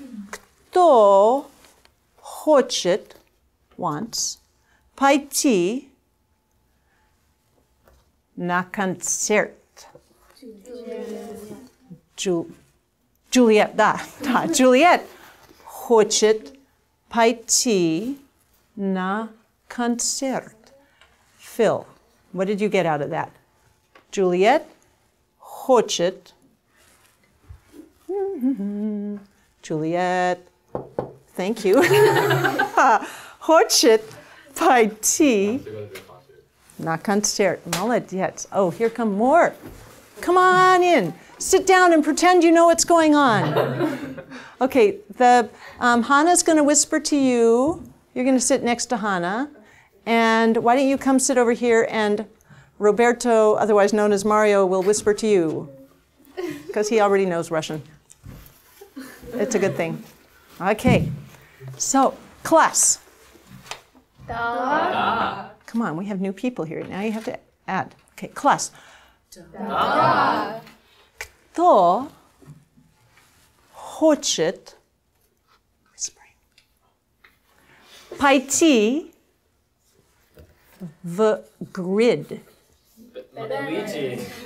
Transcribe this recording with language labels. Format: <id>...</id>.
<ru>кто хочет,</ru> <en>wants,</en> <ru>пойти на концерт? Juliet, да. Juliet хочет пойти на концерт.</ru> <en>Phil, what did you get out of that?</en> <ru>Juliet хочет. Juliet,</ru> <en>thank you.</en> <ru>Хочет пойти на концерт. Молодец.</ru> <en>Oh, here come more. Come on in. Sit down and pretend you know what's going on. Okay, Hannah's going to whisper to you. You're going to sit next to Hannah. And why don't you come sit over here, and Roberto, otherwise known as Mario, will whisper to you. Because he already knows Russian. It's a good thing. Okay. So, class.</en> <ru>Da. Da.</ru> <en>Come on, we have new people here. Now you have to add. Okay, class.</en> <ru>Da. Da. Кто хочет пойти в grid? Luigi.</ru>